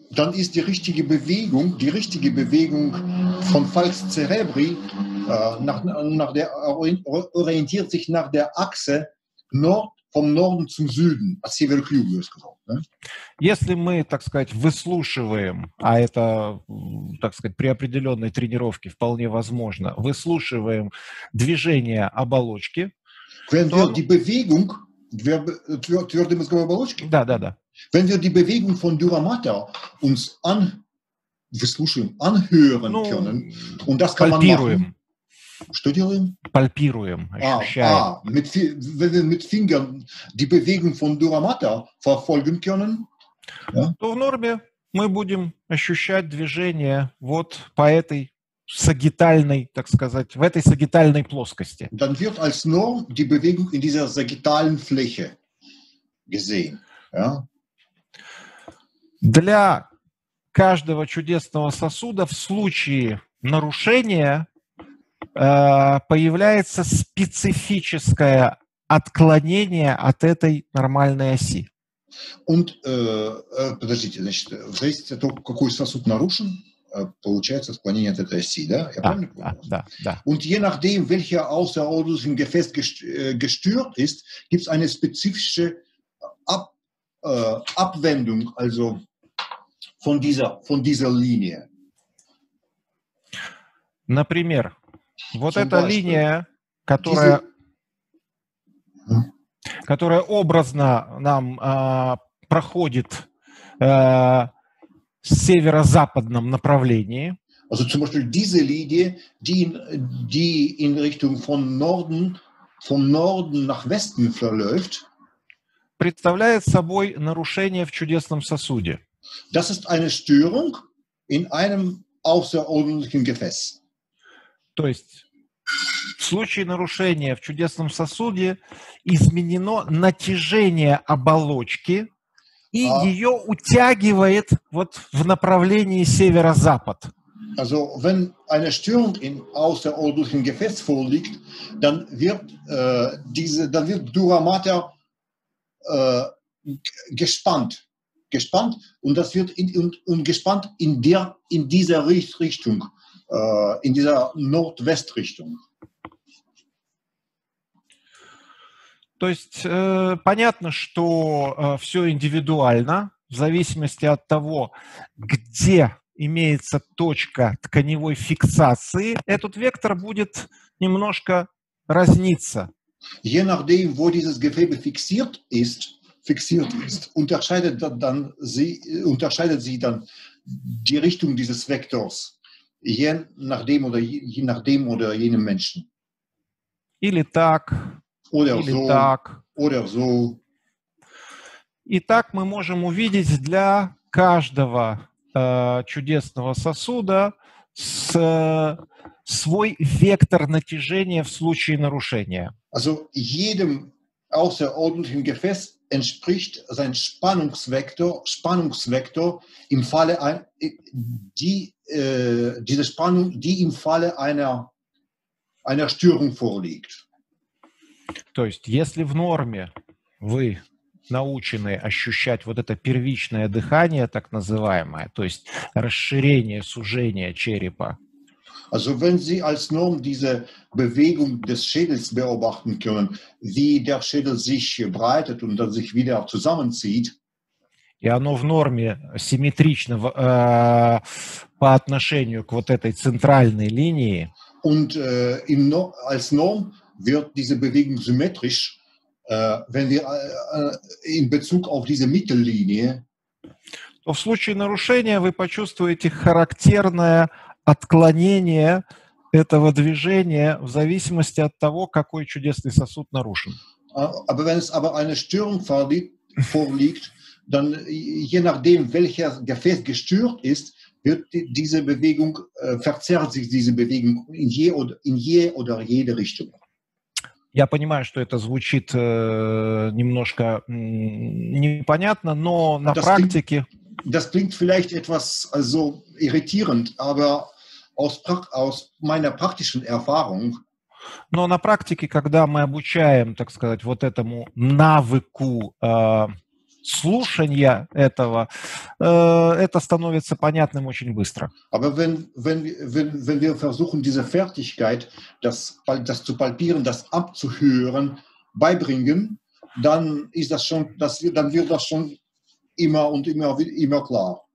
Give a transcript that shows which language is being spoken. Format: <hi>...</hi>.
<de>Dann ist die richtige Bewegung von Falx cerebri orientiert sich nach der Achse vom Norden zum Süden,</de> <ru>от севера к югу, я сказал. Если мы, так сказать, выслушиваем, а это, так сказать, при определенной тренировке вполне возможно, выслушиваем движение оболочки.</ru> <de>Wenn wir die Bewegung</de> <ru>твердой мозговой оболочки? Да, да, да.</ru> <de>Wenn wir die Bewegung von Duramatter uns an,</de> <ru>выслушаем,</ru> <de>anhören können, und das kann</de> <ru>пальпируем.</ru> <de>Man machen.</de> <ru>Что делаем? Пальпируем, ощущаем.</ru> <de>Wenn wir mit Fingern die Bewegung von Duramatter verfolgen können,</de> <ru>то в норме мы будем ощущать движение вот по этой сагитальной, так сказать, в этой сагитальной плоскости.</ru> <de>Dann wird als Norm die Bewegung in dieser sagittalen Fläche gesehen. Ja?</de> <ru>Для каждого чудесного сосуда в случае нарушения появляется специфическое отклонение от этой нормальной оси. Und, подождите, значит, в зависимости от того, какой сосуд нарушен, получается отклонение от этой оси, да? Я правильно понял? Да, да.</ru> <de>Und je nachdem, welcher Außerordnung im Gefäß gestört ist, gibt es eine spezifische Abwendung, also von dieser Linie.</de> <ru>Например, вот эта линия, которая образно нам проходит в северо-западном направлении.</ru> <de>Also zum Beispiel diese Linie, die in Richtung von Norden nach Westen verläuft,</de> <ru>представляет собой нарушение в чудесном сосуде.</ru> <de>Das ist eine Störung in einem außerordentlichen Gefäß.</de> <ru>То есть в случае нарушения в чудесном сосуде изменено натяжение оболочки и ее утягивает вот в направлении северо-запад.</ru> <de>Also, wenn eine Störung in außerordentlichen Gefäß vorliegt, dann wird Duramatter gespannt und das wird gespannt in dieser Nordwestrichtung.</de> <ru>То есть понятно, что все индивидуально, в зависимости от того, где имеется точка тканевой фиксации, этот вектор будет немножко разниться.</ru> <de>Je nachdem, wo dieses Gewebe fixiert ist, unterscheidet sie dann die Richtung dieses Vektors, je nachdem oder jenem Menschen.</de> <ru>Или так.</ru> <de>Oder so.</de> <ru>И так мы можем увидеть для каждого чудесного сосуда свой вектор натяжения в случае нарушения.</ru> <de>Also jedem außerordentlichen Gefäß entspricht sein Spannungsvektor im Falle diese Spannung, die im Falle einer Störung vorliegt.</de> <ru>То есть, если в норме вы научены ощущать вот это первичное дыхание, так называемое, то есть расширение, сужение черепа.</ru> <de>Also, wenn Sie als Norm diese Bewegung des Schädels beobachten können, wie der Schädel sich breitet und dann sich wieder zusammenzieht.</de> <ru>И оно в норме симметрично по отношению к вот этой центральной линии.</ru> <de>Und als Norm wird diese Bewegung symmetrisch, wenn wir in Bezug auf diese Mittellinie,</de> <ru>то в случае нарушения вы почувствуете характерное отклонение этого движения в зависимости от того, какой чудесный сосуд нарушен.</ru> <de>Aber wenn es aber eine Störung vorliegt, dann je nachdem, welcher Gefäß gestört ist, wird diese Bewegung, verzerrt sich diese Bewegung in jede Richtung.</de> <ru>Я понимаю, что это звучит немножко непонятно, но на практике...</ru> <de>Das klingt vielleicht etwas also irritierend, aber aus meiner praktischen Erfahrung...</de> <ru>Но на практике, когда мы обучаем, так сказать, вот этому навыку слушания этого, это становится понятным очень быстро.</ru> <de>Aber wenn wir versuchen, diese Fertigkeit, das zu palpieren, das abzuhören, beibringen, dann ist das schon, dann wird das schon immer und immer klar.</de>